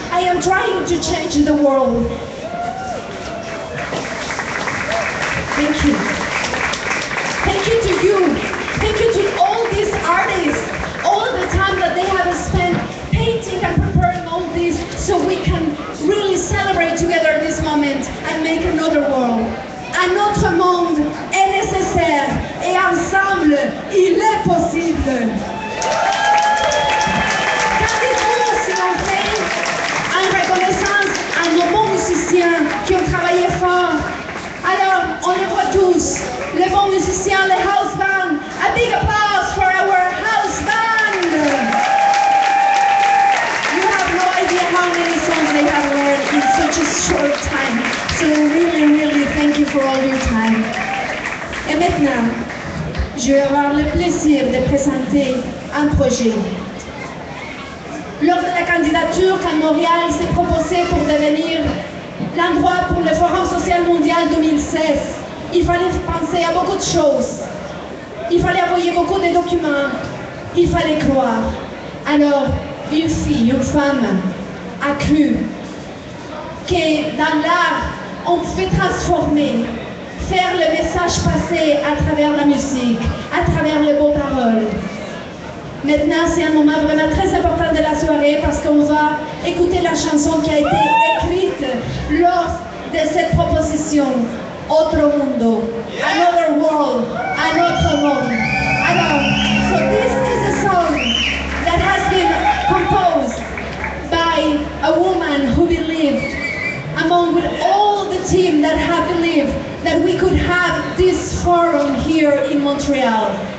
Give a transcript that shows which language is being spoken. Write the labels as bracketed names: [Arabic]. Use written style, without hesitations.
[English] I am trying to change the world. Thank you. Thank you to you. Thank you to all these artists. All the time that they have spent painting and preparing all this so we can really celebrate together this moment and make another world. [French] Un autre monde est nécessaire et ensemble, il est possible. En reconnaissance à nos bons musiciens qui ont travaillé fort. Alors, on les voit tous, les bons musiciens, les house band, [English] a big applause for our house band. You have no idea how many songs they have learned in such a short time. So really, really, thank you for all your time. [French] Et maintenant, je vais avoir le plaisir de présenter un projet. Lors de la candidature, quand Montréal s'est proposé pour devenir l'endroit pour le Forum social mondial 2016, il fallait penser à beaucoup de choses. Il fallait envoyer beaucoup de documents. Il fallait croire. Alors, une fille, une femme a cru que dans l'art, on pouvait transformer, faire le message passer à travers la musique, à travers les bonnes paroles. Maintenant, c'est un moment vraiment très important de la soirée parce qu'on va écouter la chanson qui a été écrite lors de cette proposition. [Spanish] Otro mundo. [English] Another world. [French] Un autre monde. [English] Alors, so this is a song that has been composed by a woman who believed, along with all the team that have believed, that we could have this forum here in Montreal.